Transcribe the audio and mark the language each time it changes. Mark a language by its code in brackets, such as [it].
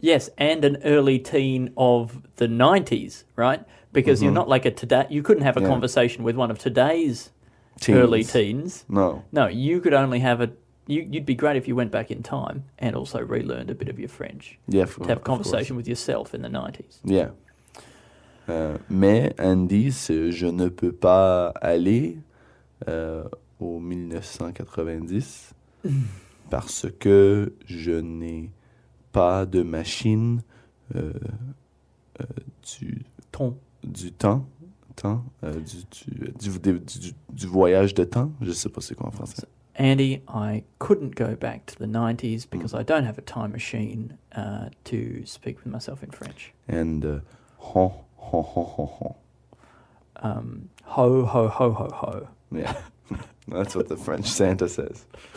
[en] Yes, and an early teen of the 90s, right? Because you're not like a today... You couldn't have a conversation with one of today's teens. Early teens. No. No, you could only have a... You'd be great if you went back in time and also relearned a bit of your French. Yeah, to have a conversation with yourself in the 90s. Yeah. [fr] Mais Andy's, je ne peux pas aller au 1990 parce que je n'ai pas de machine du voyage de temps. Je ne sais pas c'est quoi en français. [en] Andy, I couldn't go back to the 90s because I don't have a time machine to speak with myself in French. And ho, ho, ho, ho, ho. Ho, ho, ho, ho, ho. Yeah, that's what the French Santa says.